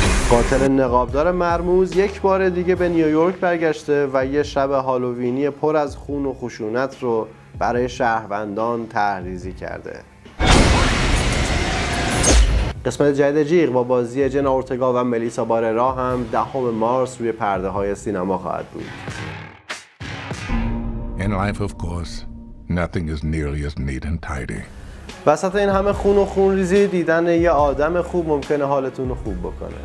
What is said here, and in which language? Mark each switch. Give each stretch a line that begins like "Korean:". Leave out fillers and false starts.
Persian: قاتل نقابدار مرموز یک بار دیگه به نیویورک برگشته و یه شب هالووینی پر از خون و خشونت رو برای شهروندان طرح‌ریزی کرده. قسمت جدید جیغ با بازی جن اورتگا و ملیسا باررا هم 10 مارس روی پرده های سینما خواهد بود.
English: In life of course nothing is nearly as neat and tidy.
Persian: وسط این همه خون و خون ریزی دیدن یه آدم خوب ممکنه حالتون رو خوب بکنه.